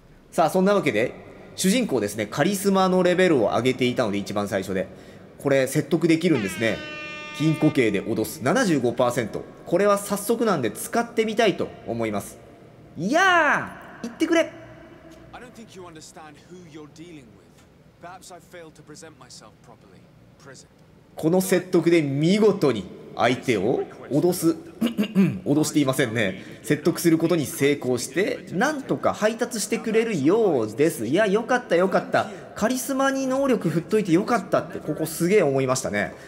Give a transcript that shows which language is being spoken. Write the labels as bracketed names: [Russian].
[Japanese] さあそんなわけで主人公ですね、カリスマのレベルを上げていたので、一番最初でこれ説得できるんですね。金庫系で脅す 75%、 これは早速なんで使ってみたいと思います。いやー言ってくれ。 [English] I don't think you understand who you're dealing with. Perhaps I failed to present myself properly. Prison. [Japanese] この説得で見事に相手を脅す脅していませんね、説得することに成功して、なんとか配達してくれるようです。いやよかったよかった、カリスマに能力振っといてよかったってここすげえ思いましたね。